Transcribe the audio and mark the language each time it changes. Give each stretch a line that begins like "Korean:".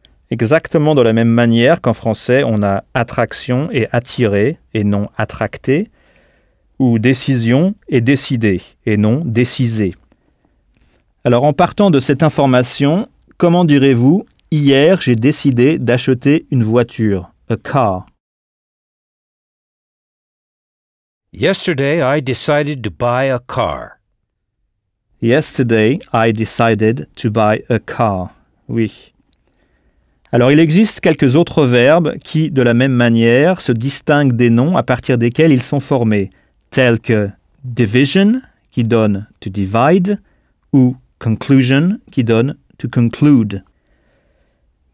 French: Exactement de la même manière qu'en français, on a attraction et attirer, et non attracter, ou décision et décider, et non déciser. Alors, en partant de cette information, comment direz-vous « hier, j'ai décidé d'acheter une voiture,
English: a car ». Yesterday, I decided to buy a car. Yesterday, I decided to buy a car.
French: Oui. Alors, il existe quelques autres verbes qui, de la même manière, se distinguent des noms à partir desquels ils sont formés, tels que « division », qui donne «
English: to divide
French: », ou « conclusion » qui donne «
English: to conclude ».